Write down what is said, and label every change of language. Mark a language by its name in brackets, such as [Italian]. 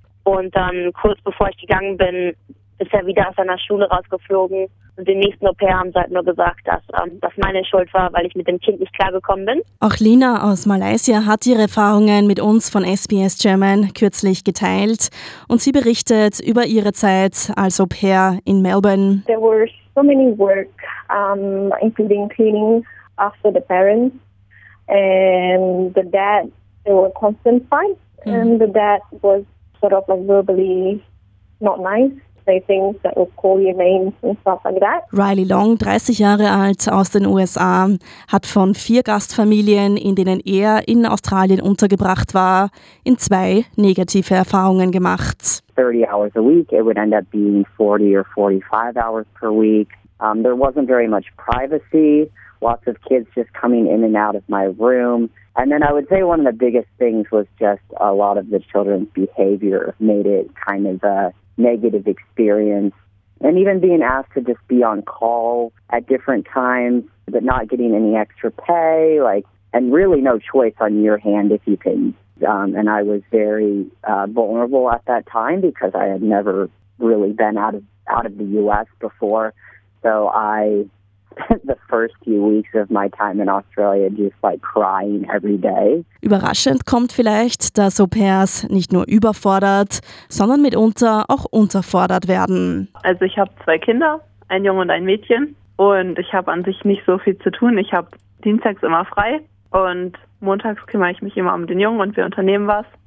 [German] Und dann kurz bevor ich gegangen bin, ist er wieder aus seiner Schule rausgeflogen. Und den nächsten Au-pair haben sie halt nur gesagt, dass das meine Schuld war, weil ich mit dem Kind nicht klargekommen bin. Auch Lina aus Malaysia hat ihre Erfahrungen mit uns von SBS German kürzlich geteilt. Und sie berichtet über ihre Zeit als Au-pair in Melbourne. [English] There were so many work, including cleaning after the parents. And the dad, there were constant fights. And the dad was sort of like verbally not nice. [German] Riley Long, 30 Jahre alt, aus den USA, hat von 4 Gastfamilien, in denen er in Australien untergebracht war, in 2 negative Erfahrungen gemacht. [English] 30 hours a week, it would end up being 40 or 45 hours per week. There wasn't very much privacy, lots of kids just coming in and out of my room. And then I would say one of the biggest things was just a lot of the children's behavior made it kind of a negative experience. And even being asked to just be on call at different times, but not getting any extra pay, and really no choice on your hand if you can. And I was very vulnerable at that time because I had never really been out of the U.S. before. So I spent the first few weeks of my time in Australia just crying every day. [German] Überraschend kommt vielleicht, dass Au-pairs nicht nur überfordert, sondern mitunter auch unterfordert werden. Also ich habe 2 Kinder, ein Junge und ein Mädchen, und ich habe an sich nicht so viel zu tun. Ich habe dienstags immer frei Und montags kümmere ich mich immer um den Jungen und wir unternehmen was.